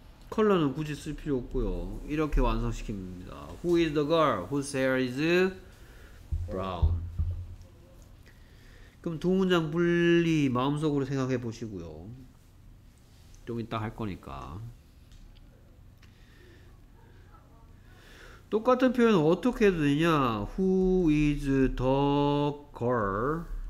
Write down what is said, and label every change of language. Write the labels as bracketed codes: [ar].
[ko] 컬러는 굳이 쓸 필요 없고요. 이렇게 완성시킵니다. [en] Who is the girl whose hair is brown? [ko] 그럼 두 문장 분리 마음속으로 생각해 보시고요. 좀 이따 할 거니까. 똑같은 표현은 어떻게 해도 되냐? [en] Who is the girl?